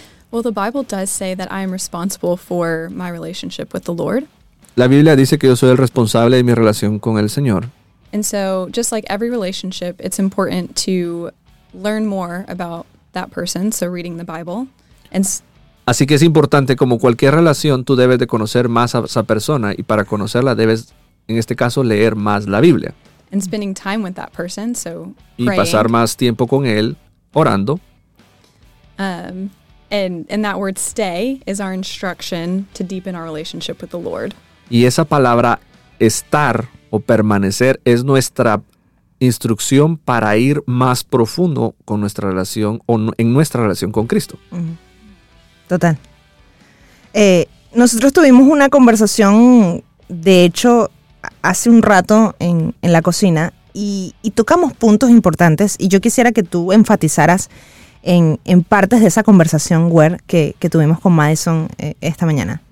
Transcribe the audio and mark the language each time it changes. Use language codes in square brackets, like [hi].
[en] Well, the Bible does say that I am responsible for my relationship with the Lord. [es] La Biblia dice que yo soy el responsable de mi relación con el Señor. [en] And so, just like every relationship, it's important to learn more about that person, so reading the Bible. And [es] así que es importante, como cualquier relación, tú debes de conocer más a esa persona, y para conocerla debes, en este caso, leer más la Biblia. [en] And spending time with that person, so [es] y [en] praying. [es] Pasar más tiempo con él, orando. [en] And that word stay is our instruction to deepen our relationship with the Lord. [es] Y esa palabra estar... o permanecer es nuestra instrucción para ir más profundo con nuestra relación o en nuestra relación con Cristo. Total. Nosotros tuvimos una conversación, de hecho, hace un rato en la cocina y tocamos puntos importantes y yo quisiera que tú enfatizaras en partes de esa conversación, Wer, que tuvimos con Madison esta mañana.